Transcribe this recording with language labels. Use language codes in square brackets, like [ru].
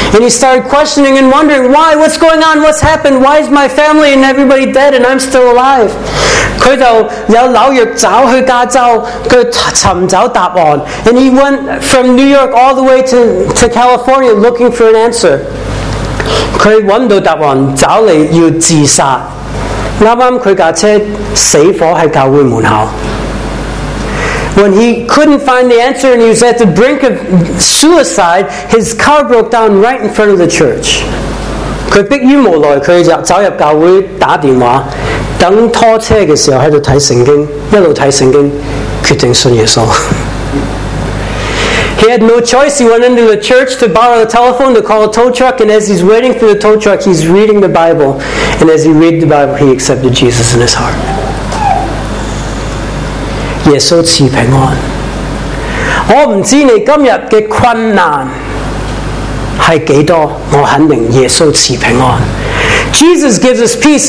[en] And he started questioning and wondering, why? What's going on? What's happened? Why is my family and everybody dead and I'm still alive? [zh] 他就有纽约找去加州，他寻找答案。 [en] And he went from New York all the way to California looking for an answer. [zh] 他找到答案，找来要自杀。刚刚他驾车死火在教会门口。 [en] When he couldn't find the answer and he was at the brink of suicide, his car broke down right in front of the church. [zh] 他迫于无奈，他就走入教会打电话，等拖车的时候在那看圣经，一路看圣经，决定信耶稣。 [en] He had no choice. He went into the church to borrow the telephone to call a tow truck, and as he's waiting for the tow truck, he's reading the Bible. And as he read the Bible, he accepted Jesus in his heart. Jesus gives us peace.